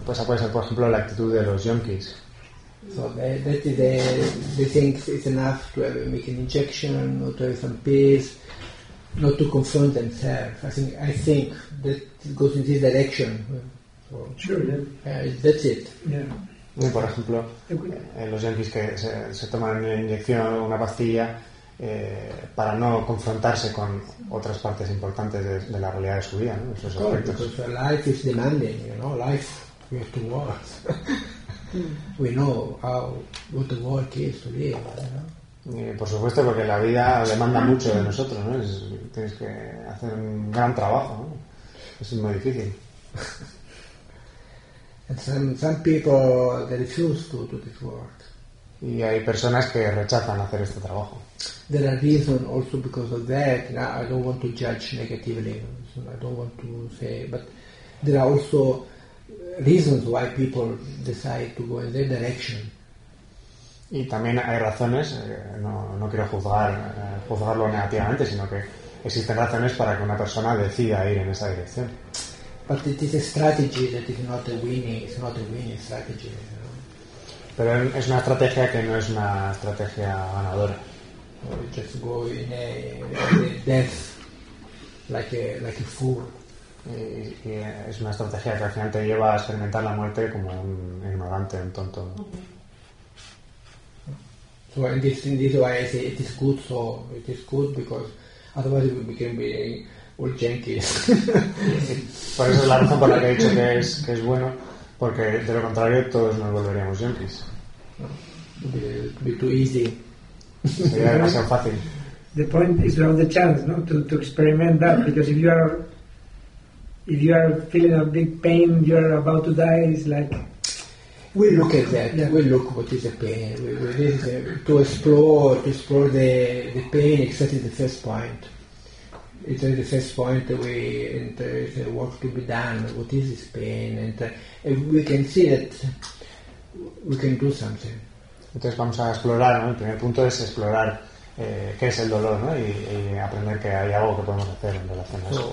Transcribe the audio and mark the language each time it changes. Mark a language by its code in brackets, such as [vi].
[es] Pues esa puede ser, por ejemplo, la actitud de los junkies. [en] So that is they think it's enough to have, make an injection or to have some pills, not to confront themselves. I think that goes in this direction. So, sure, yeah. That's it. Yeah. [es] Y por ejemplo, los junkies que se toman una inyección, una pastilla. Para no confrontarse con otras partes importantes de la realidad de su vida, ¿no? Esos aspectos. [en] Oh, because life is demanding, you know. Life, we have to work. We know what the work is to live, you know. [es] Por supuesto, porque la vida demanda mucho de nosotros, ¿no? Tienes que hacer un gran trabajo, ¿no? Eso es muy difícil. [en] And some people refuse to this work. [es] Y hay personas que rechazan hacer este trabajo. [en] There are reasons also because of that. Now, I don't want to judge negatively. So I don't want to say, but there are also reasons why people decide to go in that direction. [es] Y también hay razones. No quiero juzgarlo negativamente, sino que existen razones para que una persona decida ir en esa dirección. [en] But it is a strategy that is not a winning. It's not a winning strategy. You know? [es] Pero es una estrategia que no es una estrategia ganadora. [en] Or just go in a death like a fool. [es] Y es una estrategia que al final te lleva a experimentar la muerte como un ignorante, un tonto. [en] So in this way I say it is good because otherwise we become being old junkies. [es] Por eso es la razón por la que he dicho que es bueno, porque de lo contrario todos nos volveríamos junkies. [en] Be too easy. The point is on the chance, no, to experiment that, because if you are feeling a big pain, you're about to die. It's like we look at that. Yeah. We look what is the pain. To explore the pain. Exactly the first point. It's the first point. The work to be done. What is this pain? And we can see that we can do something. [es] Entonces vamos a explorar, ¿no? El primer punto es explorar qué es el dolor, ¿no? Y aprender que hay algo que podemos hacer en relación a eso.